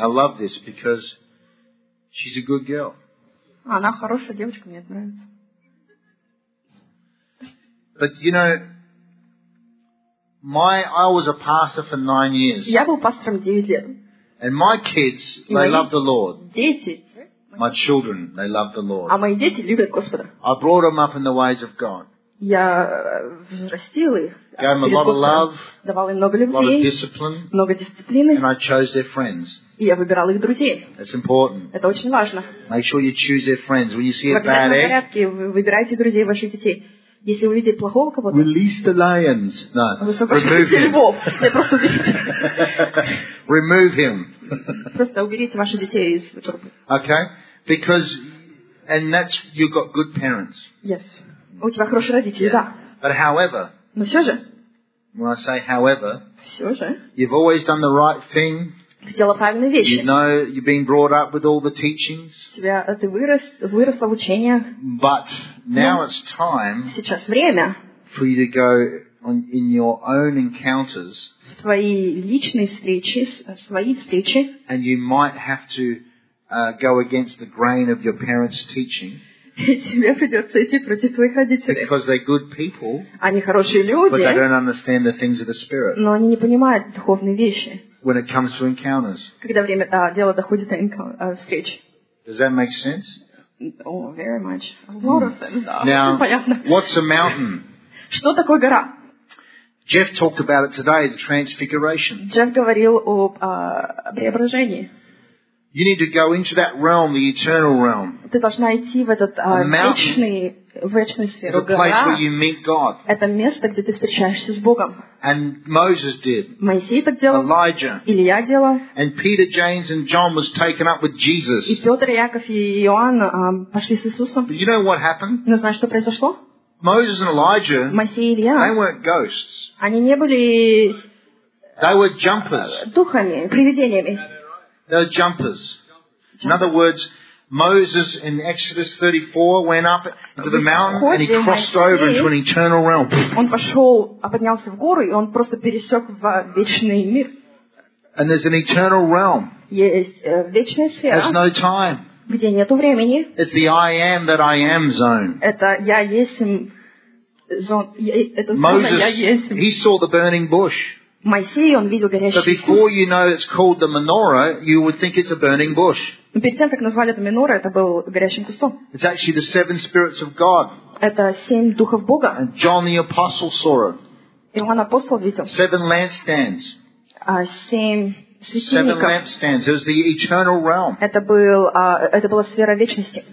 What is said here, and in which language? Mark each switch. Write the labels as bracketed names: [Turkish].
[English] I love this because she's a good girl. [Russian] Она хорошая девочка, мне нравится. [English] But you know, I was a pastor for 9 years. [Russian] Я был пастором 9 лет. [English] And my kids, they love the Lord. [Russian] Дети. [English] My children, they love the Lord. [Russian] А мои дети любят Господа. [English] I brought them up in the ways of God. [Russian] Я взрастил их. [English] Gave them a lot of love. [Russian] Давал им много любви. [English] A lot of discipline. [Russian] Много дисциплины. [English] And I chose their friends. [Russian] И я выбирал их друзей. [English] That's important. [Russian] Это очень важно. [English] Make sure you choose their friends when you see a bad egg. [Russian] В порядке, выбирайте друзей ваших детей. Если вы видите плохого кого-то, [English] release the lions. No. [Russian] Высвобождайте львов. Не просто уберите. [English] Remove him. [Russian] Просто уберите ваших детей из группы. [English] Okay, because and that's you've got good parents. Yes. [Russian] У тебя хорошие родители, да. [English] But however. [Russian] Но все же. [English] When I say however. [Russian] Все же. [English] You've always done the right thing. [Russian] Ты делала правильные вещи. [English] You know you've been brought up with all the teachings. [Russian] Ты выросла в учениях. [English] But now it's time. [Russian] Сейчас время. [English] For you to go on in your own encounters. [Russian] В твои личные встречи, свои встречи. [English] And you might have to go against the grain of your parents' teaching. [Russian] И тебе придется идти против твоих родителей. [English] Because they're good people. [Russian] Они хорошие люди. [English] But they don't understand the things of the spirit. [Russian] Но они не понимают духовные вещи. [English] When it comes to encounters. [Russian] Когда время дело доходит до встреч. [English] Does that make sense? Oh, very much. A lot of them. Now, what's a mountain? [Russian] Что такое гора? [English] Jeff talked about it today, the transfiguration. [Russian] Jeff говорил об преображении. [English] You need to go into that realm, the eternal realm. [Russian] Ты должна идти в этот вечный сферу. [English] The place where you meet God. [Russian] Это место, где ты встречаешься с Богом. [English] And Moses did. [Russian] Моисей так делал. [English] Elijah. [Russian] Илия делал. [English] And Peter, James, and John was taken up with Jesus. [Russian] И Петр, Яков и Иоанн пошли с Иисусом. [English] You know what happened? [Russian] Но знаешь, что произошло? [English] Moses and Elijah. [Russian] Моисей и Илия. [English] They weren't ghosts. [Russian] Они не были. [English] They were jumpers. [Russian] Духами, привидениями. [English] They're jumpers. In other words, Moses in Exodus 34 went up to the mountain and he crossed over into an eternal realm. [Russian] Он пошел, поднялся в гору, и он просто пересек в вечный мир. [English] And there's an eternal realm. [Russian] Есть вечная сфера. [English] There's no time. [Russian] Где нету времени. [English] It's the I am that I am zone. [Russian] Это я есть зона. Это [English] Moses, [Russian] я есть. [English] He saw the burning bush. [Russian] Моисей, он видел горящий костер. [English] But before you know it's called the menorah, you would think it's a burning bush. [Russian] Перед тем, как назвали это менора, это был горящим костом. [English] It's actually the seven spirits of God. [Russian] Это семь духов Бога. [English] And John the apostle saw it. [Russian] Иоанн апостол видел. [English] Seven lampstands. [Russian] Семь светильников. [English] Seven lampstands. It was the eternal realm. [Russian] Это была сфера вечности.